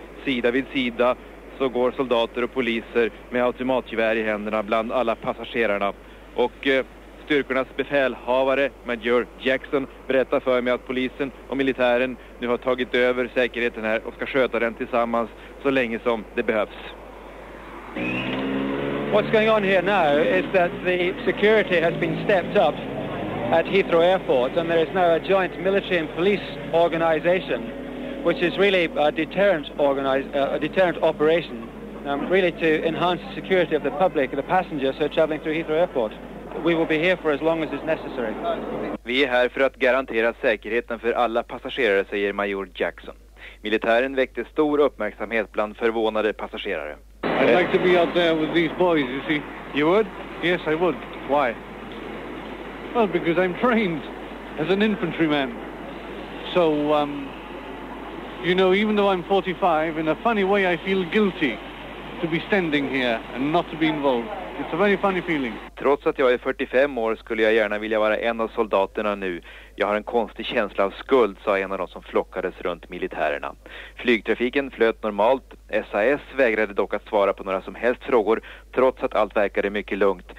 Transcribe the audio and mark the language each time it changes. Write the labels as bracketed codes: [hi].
[sv] Sida vid sida så går soldater och poliser med automatgevär i händerna bland alla passagerarna. Och styrkornas befälhavare, Major Jackson, berättar för mig att polisen och militären nu har tagit över säkerheten här och ska sköta den tillsammans så länge som det behövs. [en] What's going on here now is that the security has been stepped up at Heathrow Airport and there is now a joint military and police organization which is really a deterrent operation really to enhance the security of the public, the passengers who are traveling through Heathrow Airport. We will be here for as long as it's necessary. [sv] Vi är här för att garantera säkerheten för alla passagerare, säger Major Jackson. Militären väckte stor uppmärksamhet bland förvånade passagerare. [en] I'd like to be out there with these boys, you see. You would? Yes, I would. Why? Well, because I'm trained as an infantryman. So, you know, even though I'm 45, in a funny way I feel guilty to be standing here and not to be involved. It's a very funny feeling. [sv] Trots att jag är 45 år skulle jag gärna vilja vara en av soldaterna nu. Jag har en konstig känsla av skuld, sa en av de som flockades runt militärerna. Flygtrafiken flöt normalt. SAS vägrade dock att svara på några som helst frågor, trots att allt verkade mycket lugnt.